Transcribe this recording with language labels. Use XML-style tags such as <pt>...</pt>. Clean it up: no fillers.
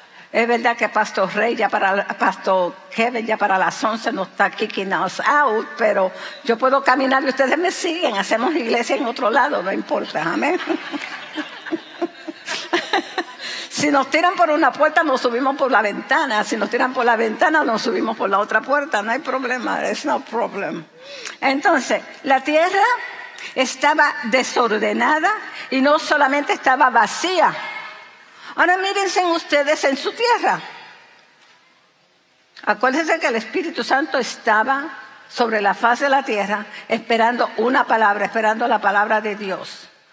<es>Es verdad que Pastor Rey, Pastor Kevin ya para las 11 no está</es> <en>kicking us out,</en> <es>pero yo puedo caminar y ustedes me siguen, hacemos iglesia en otro lado, no importa, amén. Si nos tiran por una puerta, nos subimos por la ventana. Si nos tiran por la ventana, nos subimos por la otra puerta. No hay problema,</es> <en>it's no problem.</en> <es>Entonces, la tierra estaba desordenada y no solamente estaba vacía. Ahora mírense ustedes en su tierra. Acuérdense que el Espíritu Santo estaba sobre la faz de la tierra esperando una palabra, esperando la palabra de Dios.</es>